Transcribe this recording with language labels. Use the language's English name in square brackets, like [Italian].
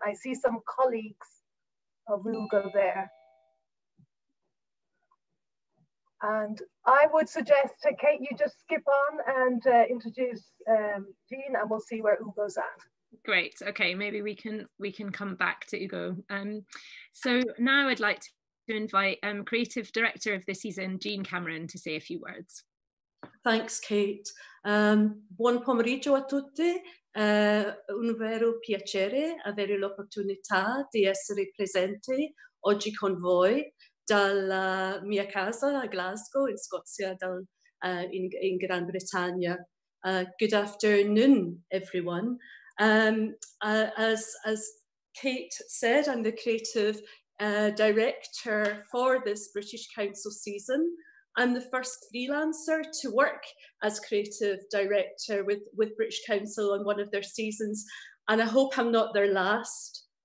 [English] I see some colleagues of Ugo there, and I would suggest to Kate you just skip on and introduce Jean, and we'll see where Ugo's at. Great, okay, maybe we can come back to Ugo. So now I'd like to invite creative director of the season, Jean Cameron, to say a few words. Thanks, Kate. [Italian] Buon pomeriggio a tutti. Un vero piacere avere l'opportunità di essere presente oggi con voi dalla mia casa a Glasgow, in Scozia, in Gran Bretagna. [English] Good afternoon, everyone. As Kate said, I'm the creative director for this British Council season. I'm the first freelancer to work as creative director with British Council on one of their seasons, and I hope I'm not their last.